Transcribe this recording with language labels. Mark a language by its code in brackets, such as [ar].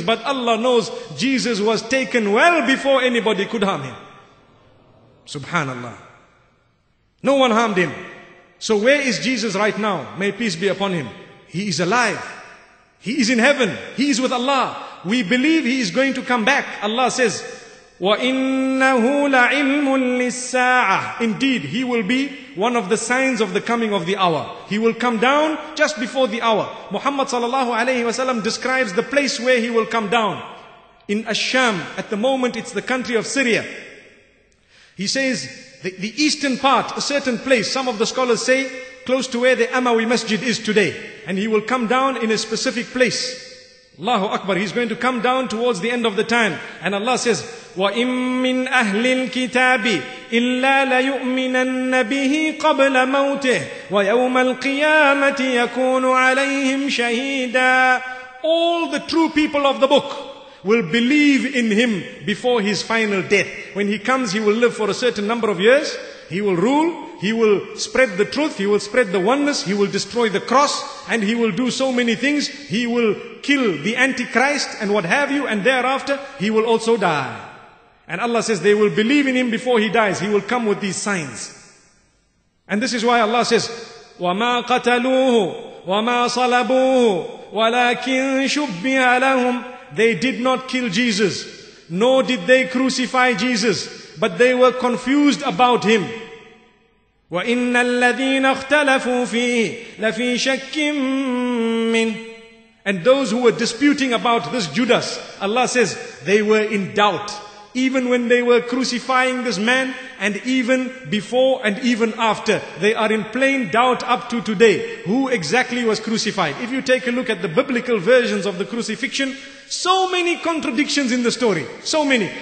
[en] But Allah knows, Jesus was taken well before anybody could harm him. Subhanallah. No one harmed him. So where is Jesus right now? May peace be upon him. He is alive. He is in heaven. He is with Allah. We believe he is going to come back. Allah says, [ar] وَإِنَّهُ لَعِلْمٌ لِلسَّاعَةِ. [en] Indeed, he will be one of the signs of the coming of the hour. He will come down just before the hour. Muhammad sallallahu alayhi wa sallam describes the place where he will come down. In Ash-Sham, at the moment it's the country of Syria. He says, the eastern part, a certain place, some of the scholars say, close to where the Amawi Masjid is today. And he will come down in a specific place. Allahu Akbar, he's going to come down towards the end of the time. And Allah says, [ar] وَإِن مِّنْ أَهْلِ الْكِتَابِ إِلَّا لَيُؤْمِنَنَّ بِهِ قَبْلَ مَوْتِهِ وَيَوْمَ الْقِيَامَةِ يَكُونُ عَلَيْهِمْ شَهِيدًا. [en] All the true people of the book will believe in him before his final death. When he comes, he will live for a certain number of years. He will rule, he will spread the truth, he will spread the oneness, he will destroy the cross, and he will do so many things. He will kill the Antichrist and what have you, and thereafter he will also die. And Allah says they will believe in him before he dies. He will come with these signs. And this is why Allah says, [ar] وَمَا قَتَلُوهُ وما صلبوه ولكن شبه لهم. [en] They did not kill Jesus, nor did they crucify Jesus, but they were confused about him. [ar] وإن الذين اختلفوا فيه لفي شك منه. [en] And those who were disputing about this Judas, Allah says, they were in doubt. Even when they were crucifying this man, and even before and even after, they are in plain doubt up to today, who exactly was crucified. If you take a look at the biblical versions of the crucifixion, so many contradictions in the story. So many.